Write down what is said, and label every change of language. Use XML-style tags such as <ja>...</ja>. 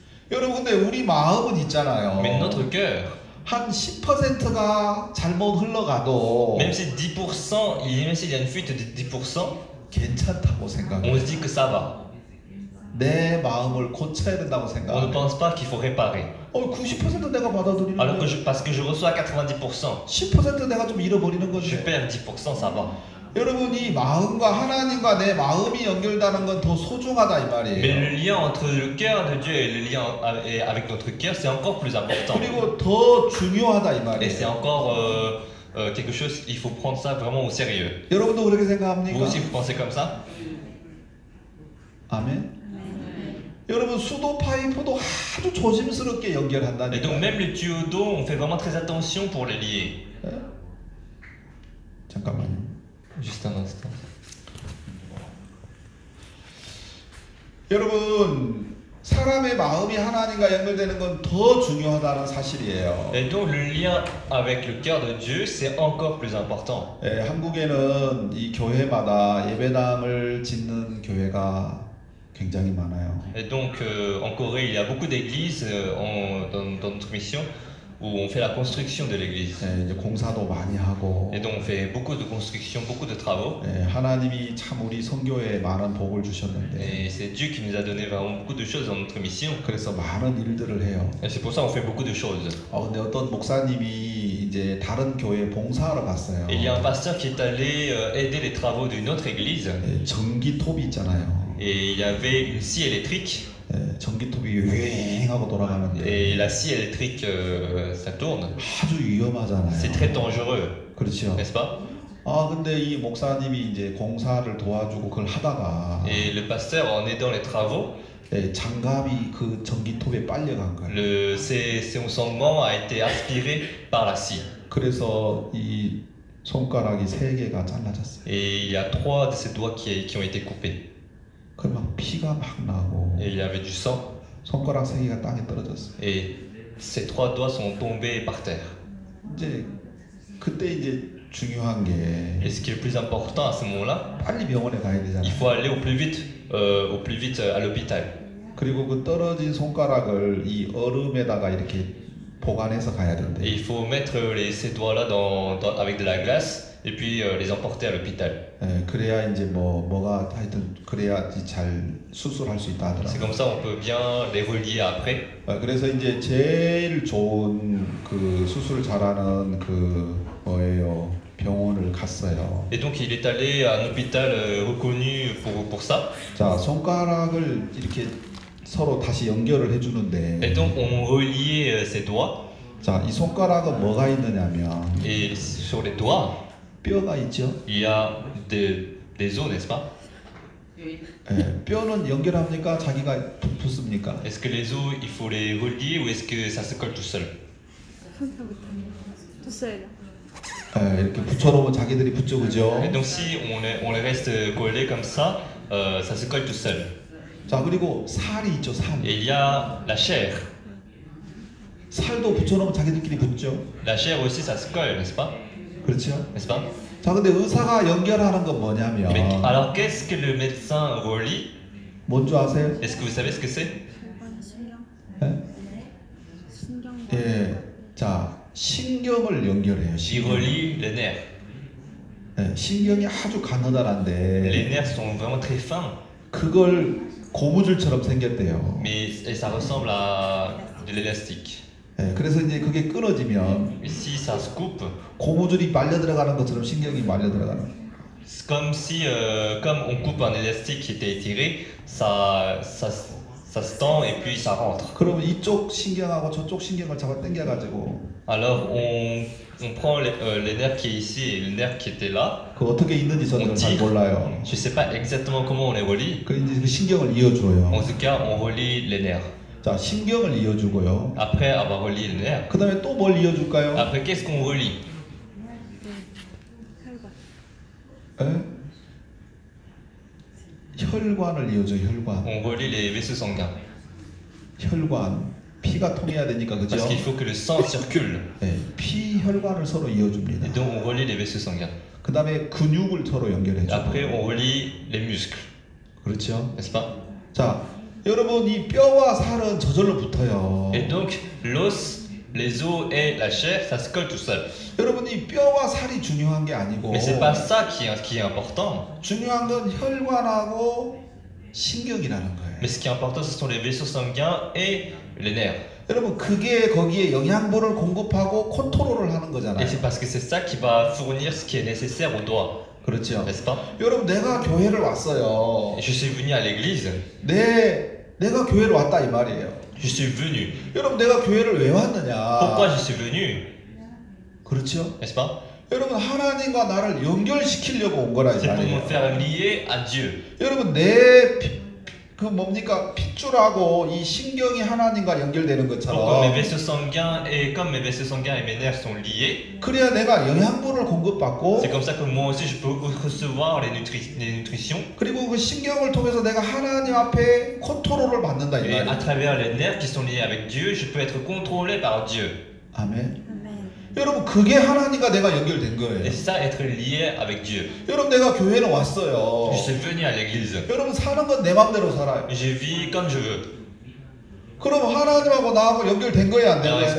<ko>여러분, 근데 우리 마음은 있잖아요.</ko> <fr>Mais notre cœur.</fr> <ko>한 10%가 잘못 흘러가도</ko> <fr>même si 10% il y a une fuite de 10%</fr> <ko>괜찮다고 생각해.</ko> <fr>On se dit que ça va.</fr> <ko>내 마음을 고쳐야 된다고</ko> <fr>On ne</fr> <ko>생각하면</ko> <fr>pense pas qu'il faut réparer.</fr> <ko>90% 내가 받아들이는</ko> <fr>Alors que parce que je reçois 90%.</fr> <ko>10% 내가 좀 잃어버리는 거지.</ko> <fr>Je perds 10%, ça va.</fr> <ko>여러분이 마음과 하나님과 내 마음이 연결되는 건 더 소중하다 이 말이에요.</ko> <fr>Mais le lien entre le cœur de Dieu et le lien avec notre cœur, c'est encore plus important.</fr> <ko>그리고 더 중요하다 이 말이에요.</ko> <fr>Et c'est encore quelque chose, il faut prendre ça vraiment au sérieux.</fr> <ko>여러분도 그렇게 생각합니까?</ko> <fr>Vous aussi vous pensez comme ça?</fr> <ko>아멘. 여러분 수도 파이프도 아주 조심스럽게 연결한다니까.</ko> <fr>Et donc même les tuyaux d'eau, on fait vraiment très attention pour les lier.</fr> <ko>잠깐만.</ko> <fr>Juste un instant.</fr> <ko>여러분 사람의 마음이 하나님과 연결되는 건 더 중요하다는 사실이에요.</ko> <fr>Et donc le lien avec le cœur de Dieu, c'est encore plus important.</fr> <ko>예, 한국에는 이 교회마다 예배당을 짓는 교회가 굉장히 많아요.</ko> <fr>Et donc en Corée, il y a beaucoup d'églises dans notre mission où on fait la construction de l'église.</fr> <ko>예, 이제 공사도 많이 하고.</ko> <fr>Et donc on fait beaucoup de construction, beaucoup de travaux.</fr> <ko>예, 하나님이 참 우리 선교에 많은 복을 주셨는데.</ko> <fr>Et c'est Dieu qui nous a donné vraiment beaucoup de choses dans notre mission.</fr> <ko>그래서 많은 일들을 해요.</ko> <fr>Et c'est pour ça on fait beaucoup de choses.</fr> <ko>아, 근데 어떤 목사님이 이제 다른 교회 봉사하러 갔어요.</ko> <fr>Il y a un pasteur qui est allé aider les travaux d'une autre église.</fr> <ko>예, 전기톱이 있잖아요.</ko> <fr>Et il y avait une scie électrique.</fr> <ko>예, 전기톱이 윙 하고 돌아가는데.</ko> <fr>Et la scie électrique, ça tourne.</fr> <ko>아주 위험하잖아요.</ko> <fr>C'est très dangereux.</fr> <ko>그렇죠.</ko> <fr>N'est-ce pas?</fr> <ko>아, 근데 이 목사님이 이제 공사를 도와주고 그걸 하다가.</ko> <fr>Et le pasteur en aidant les travaux.</fr> <ko>예, 장갑이 그 전기톱에 빨려간 거예요.</ko> <fr>Le son sangment a été aspiré par la scie.</fr> <ko>그래서 이 손가락이 세 개가 잘라졌어요.</ko> <fr>Et il y a trois de ses doigts qui ont été coupés.</fr> <ko>그 막 피가 막 나고.</ko> <fr>Et il y avait du sang.</fr> <ko>손가락 세 개가 땅에 떨어졌어.</ko> <fr>Et ses trois doigts sont tombés par terre.</fr> <ko>이제 그때 이제 중요한 게.</ko> <fr>Et ce qui est le plus important à ce moment-là.</fr> <ko>빨리 병원에 가야 되잖아.</ko> <fr>Il faut aller au plus vite à l'hôpital.</fr> <ko>그리고 그 떨어진 손가락을 이 얼음에다가 이렇게 보관해서 가야 된대.</ko> <fr>Et il faut mettre ces doigts-là avec de la glace. Et puis les emporter à l'hôpital.</fr> <ko>예, 그래야 이제 뭐가 하여튼 그래야 잘 수술할 수 있다 하더라고.</ko> <fr>C'est comme ça on peut bien les relier après.</fr> <ko>예, 그래서 이제 제일 좋은 그 수술 잘하는 그 뭐예요 병원을 갔어요.</ko> <fr>Et donc il est allé à un hôpital reconnu pour ça.</fr> <ko>자, 손가락을 이렇게 서로 다시 연결을 해주는데.</ko> <fr>Et donc on relie ses doigts.</fr> <ko>자, 이 손가락은 뭐가 있느냐면.</ko> <fr>Et sur les doigts.</fr> <ko>뼈가 있죠.</ko> <fr>Il y a des os, n'est-ce pas?</fr> <ko>예, 뼈는 연결합니까? 자기가 붙습니까?</ko> <fr>Est-ce que les os, il faut les relier ou est-ce que ça se colle tout seul? Tout seul.</fr> <ko>예, 이렇게 붙여놓으면 자기들이 붙죠, 그죠?</ko> <fr>Et donc si on les reste collés comme ça, ça se colle tout seul.</fr> <ko>자, 그리고 살이 있죠, 살.</ko> <fr>Et il y a la chair.</fr> <ko>살도 붙여놓으면 자기들끼리 붙죠?</ko> <fr>La chair aussi, ça se colle, n'est-ce pas?</fr> <ko>그렇죠?</ko> <fr>N'est-ce pas?</fr> <ko>자, 근데 의사가 연결하는 건 뭐냐면</ko> <fr>Mais, alors qu'est-ce que le médecin relie?</fr> <ko>뭔지 아세요?</ko> <fr>Est-ce que vous savez ce que c'est?</fr> <ko>예. 네. 네. 자, 신경을 연결해요.</ko> <fr>신경. Il relie les nerfs.</fr> <ko>예, 신경이 아주 가느다란데.</ko> <fr>Les nerfs sont vraiment très fins.</fr> <ko>그걸 고무줄처럼 생겼대요.</ko> <fr>Mais ça ressemble à de l'élastique.</fr> <ko>예, 그래서 이제 그게 끊어지면</ko> <fr>si ça se coupe,</fr> <ko>고무줄이 말려 들어가는 것처럼 신경이 말려 들어가는 거예요.</ko> <fr>Comme si comme on coupe un élastique qui était étiré, ça se tend et puis ça rentre.</fr> <ko>그러면 이쪽 신경하고 저쪽 신경을 잡아 당겨 가지고</ko> <fr>Alors on prend les nerfs qui est ici et le nerf qui était là.</fr> <ko>그 어떻게 있는지 저는 잘 몰라요.</ko> <fr>Je sais pas exactement comment on les relie.</fr> <ko>그 이제 그 신경을 이어 줘요.</ko> <fr>En tout cas, on relie les nerfs.</fr> <ko>자, 신경을 이어주고요.</ko> <fr>Après avoir relié le nerf.</fr> <ko>그 다음에 또 뭘 이어줄까요?</ko> <fr>Après qu'est-ce qu'on relie?</fr> <ko>혈관을 이어줘, 혈관.</ko> <fr>On relie les vaisseaux sanguins.</fr> <ko>혈관, 피가 통해야 되니까, 그죠?</ko> <fr>Parce qu'il faut que le sang circule.</fr> <ko>네, 피, 혈관을 서로 이어줍니다.</ko> <fr>Et donc on relie les vaisseaux sanguins.</fr> <ko>그 다음에 근육을 서로 연결해줘.</ko> <fr>Après on relie les muscles.</fr> <ko>그렇죠?</ko> <fr>N'est-ce pas?</fr> <ko>자, 여러분 이 뼈와 살은 저절로 붙어요.</ko> <fr>Et donc l'os, les os et la chair, ça se colle tout seul.</fr> <ko>여러분 이 뼈와 살이 중요한 게 아니고.</ko> <fr>Mais c'est pas ça qui est important.</fr> <ko>중요한 건 혈관하고 신경이라는 거예요.</ko> <fr>Mais ce qui est important, ce sont les vaisseaux sanguins et les nerfs.</fr> <ko>여러분 그게 거기에 영양분을 공급하고 컨트롤을 하는 거잖아요.</ko> <fr>Et c'est parce que c'est ça qui va fournir ce qui est nécessaire aux doigts.</fr> <ko>그렇죠.</ko> <fr>N'est-ce pas?</fr> <ko>여러분 내가 교회를 왔어요.</ko> <fr>Je suis venu à l'église.</fr> <ko>네, 내가 교회를 왔다 이 말이에요.</ko> <fr>Je suis venu.</fr> <ko>여러분 내가 교회를 왜 왔느냐?</ko> <fr>Pourquoi je suis venu?</fr> <ko>그렇죠.</ko> <fr>N'est-ce pas?</fr> <ko>여러분 하나님과 나를 연결시키려고 온 거라 이 말이에요.</ko> <fr>C'est pour me faire lier à Dieu.</fr> <ko>여러분 내 그 뭡니까 핏줄하고 이 신경이 하나님과 연결되는 것처럼.</ko> <fr>Comme mes vaisseaux sanguins et comme mes vaisseaux sanguins et mes nerfs sont liés.</fr> <ko>그래야 내가 영양분을 공급받고.</ko> <fr>C'est comme ça que moi aussi je peux recevoir les nutritions.</fr> <ko>그리고 그 신경을 통해서 내가 하나님 앞에 컨트롤을 받는다 이 말이에요.</ko> <fr>À travers les nerfs qui sont liés avec Dieu, je peux être contrôlé par Dieu.</fr> <ko>아멘. 여러분 그게 하나님과 내가 연결된 거예요.</ko> <fr>Et ça être lié avec Dieu.</fr> <ko>여러분 내가 교회는 왔어요.</ko> <fr>Je suis venu à l'église.</fr> <ko>여러분 사는 건 내 마음대로 살아요.</ko> <fr>Je vis comme je veux.</fr> <ko>그럼 하나님하고 나하고 연결된 거예요, 안 된 거예요?</ko>